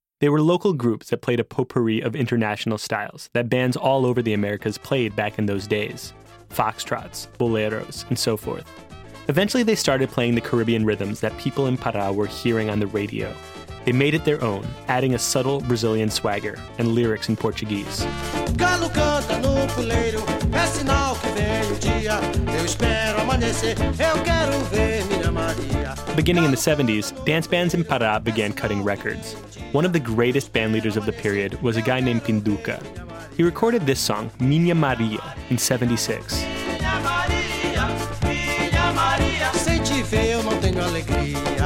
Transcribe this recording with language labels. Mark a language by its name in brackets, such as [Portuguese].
[English] They were local groups that played a potpourri of international styles that bands all over the Americas played back in those days. Foxtrots, boleros, and so forth. Eventually, they started playing the Caribbean rhythms that people in Pará were hearing on the radio. They made it their own, adding a subtle Brazilian swagger and lyrics in Portuguese. [Portuguese] Galo canta no puleiro, é sinal que vem o dia. Eu espero amanhecer, eu quero ver minha Maria. [English] Beginning in the 70s, dance bands in Pará began cutting records. One of the greatest bandleaders of the period was a guy named Pinduca. He recorded this song, Minha Maria, in 76. [Portuguese] Minha Maria, Minha Maria. Sem te ver eu não tenho alegria.